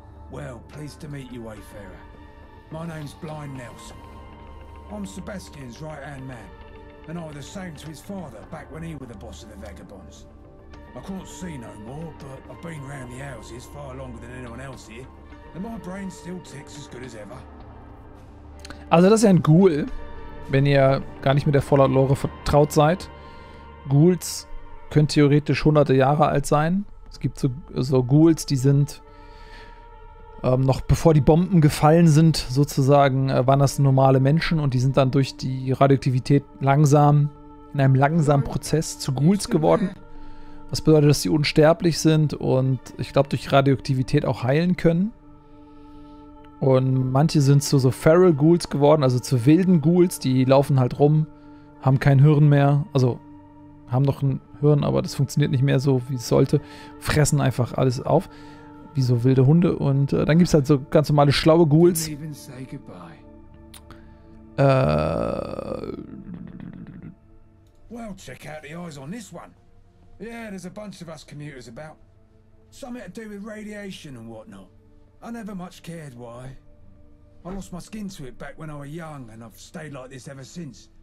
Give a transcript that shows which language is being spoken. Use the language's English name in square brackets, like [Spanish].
[English] Well, pleased to meet you, Wayfarer. My name's Blind Nelson. I'm Sebastian's right-hand man, and I was the same to his father back when he was the boss of the Vagabonds. I can't see no more, but I've been round the houses far longer than anyone else here, and my brain still ticks as good as ever. [German] Also das ist ja ein Ghoul, wenn ihr gar nicht mit der Fallout-Lore vertraut seid. Ghouls können theoretisch hunderte Jahre alt sein. Es gibt so Ghouls, die sind noch bevor die Bomben gefallen sind, sozusagen, waren das normale Menschen und die sind dann durch die Radioaktivität langsam in einem langsamen Prozess zu Ghouls geworden. Was bedeutet, dass sie unsterblich sind und ich glaube durch Radioaktivität auch heilen können. Und manche sind zu so Feral Ghouls geworden, also zu wilden Ghouls, die laufen halt rum, haben kein Hirn mehr, also haben noch ein Hirn, aber das funktioniert nicht mehr so, wie es sollte, fressen einfach alles auf, wie so wilde Hunde. Und dann gibt es halt so ganz normale schlaue Ghouls. [English] Well, check out the eyes on this one. Yeah, there's a bunch of us commuters about. Something to do with radiation and whatnot. I never much cared why. I lost my skin to it back when I was young, and I've stayed like this ever since.